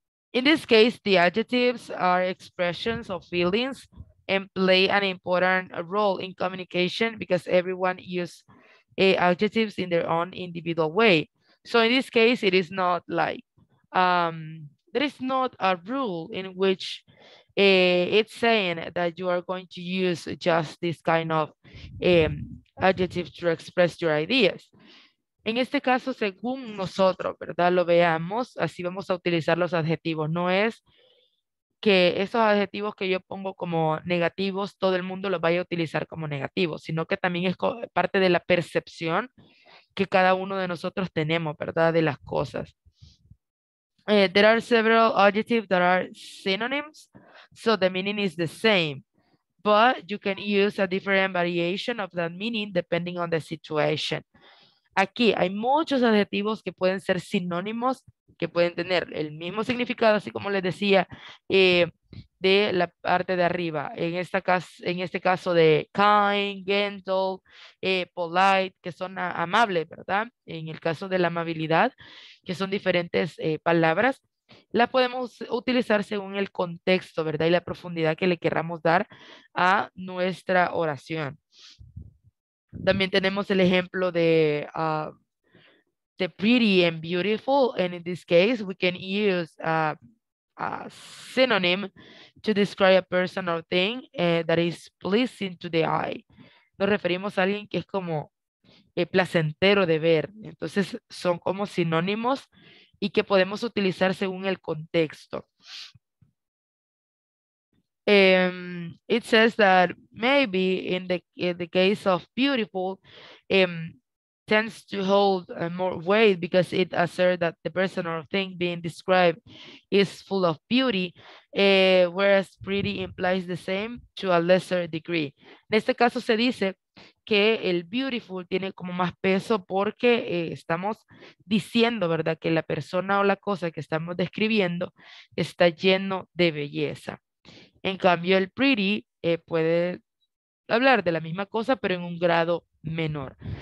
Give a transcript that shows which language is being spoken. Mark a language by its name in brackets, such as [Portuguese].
[English] In this case, the adjectives are expressions of feelings and play an important role in communication because everyone uses adjectives in their own individual way. So in this case, it is not like, there is not a rule in which it's saying that you are going to use just this kind of adjectives to express your ideas. [Spanish] En este caso, según nosotros, ¿verdad?, lo veamos, así vamos a utilizar los adjetivos. No es que esos adjetivos que yo pongo como negativos, todo el mundo los vaya a utilizar como negativos, sino que también es parte de la percepción que cada uno de nosotros tenemos, ¿verdad? De las cosas. [English] There are several adjectives that are synonyms, so the meaning is the same, but you can use a different variation of that meaning depending on the situation. [Spanish] Aquí hay muchos adjetivos que pueden ser sinónimos, que pueden tener el mismo significado, así como les decía, de la parte de arriba. En esta caso, en este caso de kind, gentle, polite, que son amables, ¿verdad? En el caso de la amabilidad, que son diferentes palabras, las podemos utilizar según el contexto, ¿verdad? Y la profundidad que le queramos dar a nuestra oración. También tenemos el ejemplo de [English] the pretty and beautiful, and in this case we can use a synonym to describe a person or thing that is pleasing to the eye. [Spanish] Nos referimos a alguien que es como placentero de ver. Entonces son como sinónimos y que podemos utilizar según el contexto. [English] It says that maybe in the case of beautiful, tends to hold more weight because it asserts that the person or thing being described is full of beauty, whereas pretty implies the same to a lesser degree. [Spanish] En este caso se dice que el beautiful tiene como más peso porque estamos diciendo, ¿verdad?, que la persona o la cosa que estamos describiendo está lleno de belleza. En cambio, el pretty puede hablar de la misma cosa, pero en un grado menor.